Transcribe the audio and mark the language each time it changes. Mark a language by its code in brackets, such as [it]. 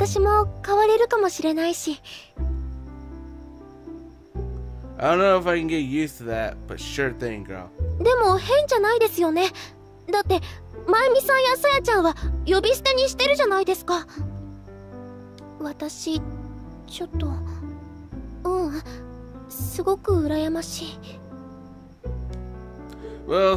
[ja] こういうのはどうでしょう。二人だけの時はレイって呼ぶ。もしかしたらそれで私も変われるかもしれないし。 [en] I don't know if I can get used to that, but sure thing, girl. [ja] でも変じゃないですよね。だって。マイミさんやサヤちゃんは呼び捨てにしてるじゃないですか。私、ちょっと、すごく羨ましい。Well,